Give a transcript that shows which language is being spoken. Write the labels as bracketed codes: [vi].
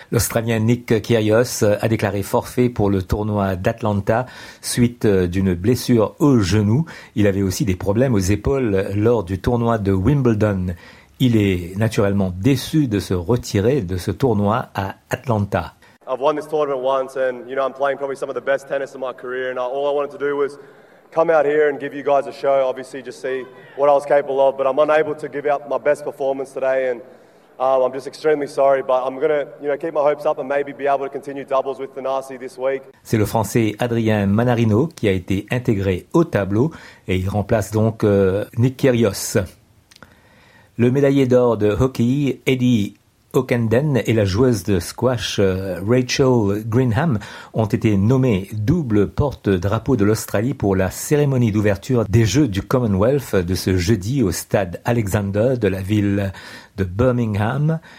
[fr] L'Australien Nick Kyrgios a déclaré forfait pour le tournoi d'Atlanta suite d'une blessure au genou. Il avait aussi des problèmes aux épaules lors du tournoi de Wimbledon. Il est naturellement déçu de se retirer de ce tournoi à Atlanta. [en] I've won this tournament once and you know I'm playing probably some of the best tennis of my career and all I wanted to do was come out here and give you guys a show, obviously just see what I was capable of, but I'm unable to give out my best performance today and I'm just extremely sorry, but I'm going to, you know, keep my hopes up and maybe be able to continue doubles with Tanasi this week. [fr] C'est le Français Adrien Manarino qui a été intégré au tableau et il remplace donc Nick Kyrgios. Le médaillé d'or de hockey, Eddie Okenden et la joueuse de squash Rachel Greenham ont été nommées double porte-drapeau de l'Australie pour la cérémonie d'ouverture des Jeux du Commonwealth de ce jeudi au stade Alexander de la ville de Birmingham.